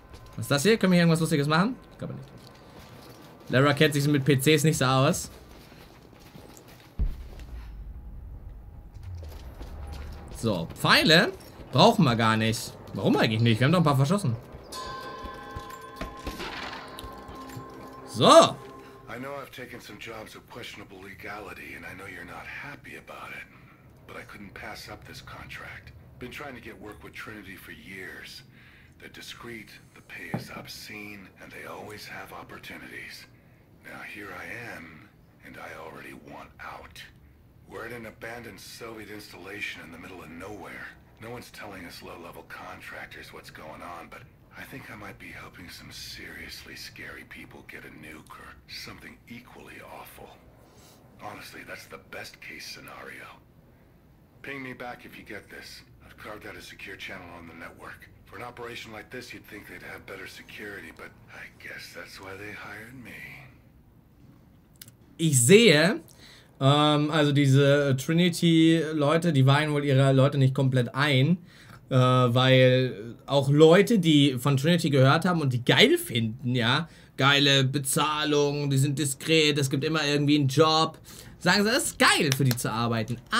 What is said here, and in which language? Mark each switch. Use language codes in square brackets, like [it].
[de] Was ist das hier? Können wir hier irgendwas Lustiges machen? Ich glaube nicht. Lara kennt sich mit PCs nicht so aus. So, Pfeile brauchen wir gar nicht. Warum eigentlich nicht? Wir haben doch ein paar verschossen. So. [en] I know I've taken some jobs of questionable legality and I know you're not happy about it. But I couldn't pass up this contract. Been trying to get work with Trinity for years. They're discreet, the pay is obscene, and they always have opportunities. Now here I am, and I already want out. We're at an abandoned Soviet installation in the middle of nowhere. No one's telling us low-level contractors what's going on, but I think I might be helping some seriously scary people get a nuke or something equally awful. Honestly, that's the best-case scenario. Ping me back if you get this. Carved out a secure channel on the network. For an operation like this, you'd think they'd have better security, but I guess that's why they hired me. [de] Ich sehe, also diese Trinity-Leute, die weihen wohl ihre Leute nicht komplett ein, weil auch Leute, die von Trinity gehört haben und die geil finden, ja, geile Bezahlung, die sind diskret, es gibt immer irgendwie einen Job, sagen sie, es ist geil für die zu arbeiten.